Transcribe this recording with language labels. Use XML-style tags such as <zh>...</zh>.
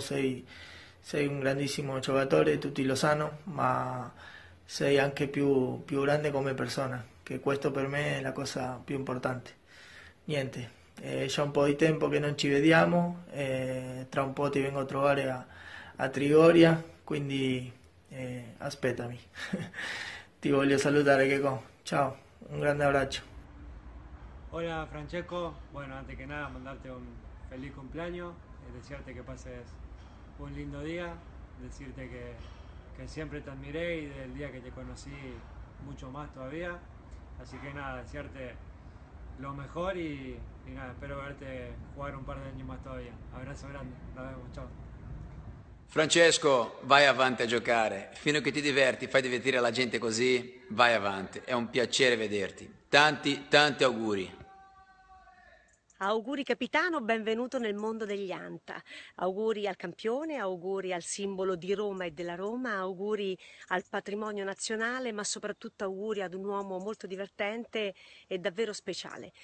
<it>Sei un grandissimo giocatore, tutti lo sanno, ma sei anche più grande come persona, che questo per me è la cosa più importante. Niente, già un po' di tempo che non ci vediamo, tra un po' ti vengo a trovare a Trigoria, quindi aspettami. Ti voglio salutare, Checo. Ciao, un grande abbraccio.</it> <es>Hola Francesco, bueno, antes que nada mandarte un feliz cumpleaños, e desearte que pases un lindo día, decirte que siempre te admiré y del día que te conocí mucho más todavía. Así que nada, desearte lo mejor y nada, espero verte jugar un par de años más todavía. Abrazo grande, nos vemos, chao.</es> <it>Francesco, vai avanti a giocare. Fino a che ti diverti, fai divertire la gente così, vai avanti. È un piacere vederti. Tanti, tanti auguri. Auguri capitano, benvenuto nel mondo degli Anta. Auguri al campione, auguri al simbolo di Roma e della Roma, auguri al patrimonio nazionale, ma soprattutto auguri ad un uomo molto divertente e davvero speciale.</it>